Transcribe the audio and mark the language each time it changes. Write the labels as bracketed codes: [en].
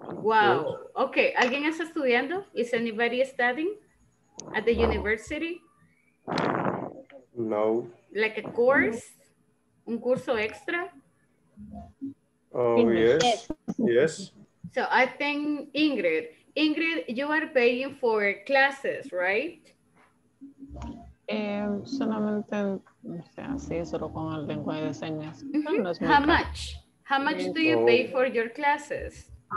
[en] Wow. Yes. Okay, [es] ¿alguien está estudiando? [en] Is anybody studying at the university? No. Like a course? No. [es] ¿Un curso extra? [en] Oh, yes. Yes. So I think Ingrid, you are paying for classes, right? [es] Solamente, o sea, sí, solo con el lenguaje de señas. [en] Mm-hmm. How much? How much do you pay for your classes?